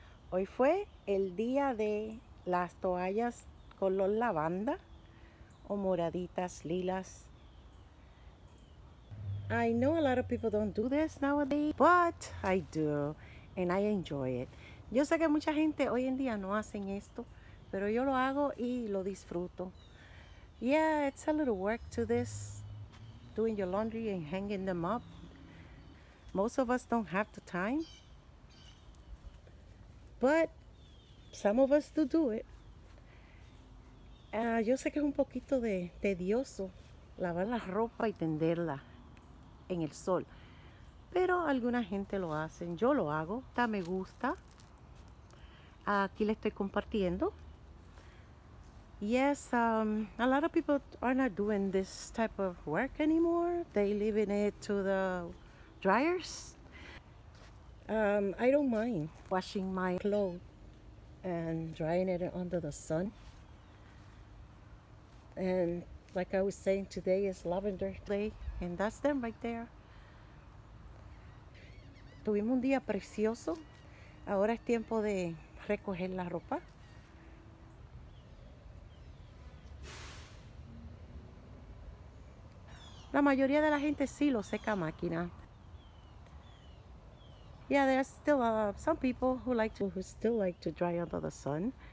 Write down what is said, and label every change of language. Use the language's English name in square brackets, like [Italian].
[Spanish] Hoy fue el día de las toallas color lavanda o moraditas, lilas. [English] I know a lot of people don't do this nowadays, but I do, and I enjoy it. [Spanish] Yo sé que mucha gente hoy en día no hacen esto, pero yo lo hago y lo disfruto. [English] Yeah, it's a little work to this, doing your laundry and hanging them up. Most of us don't have the time, but some of us do it. [Spanish] Yo sé que es un poquito de tedioso lavar la ropa y tenderla en el sol, pero alguna gente lo hace. Yo lo hago, esta me gusta. Aquí le estoy compartiendo. [English] Yes, a lot of people are not doing this type of work anymore. They leaving it to the dryers. I don't mind washing my clothes and drying it under the sun. And like I was saying, today is lavender day, and that's them right there. [Spanish] Tuvimos un día precioso. Ahora es tiempo de recoger la ropa. La mayoría de la gente sí lo seca a máquina. [English] Yeah, there's still some people who still like to dry under the sun.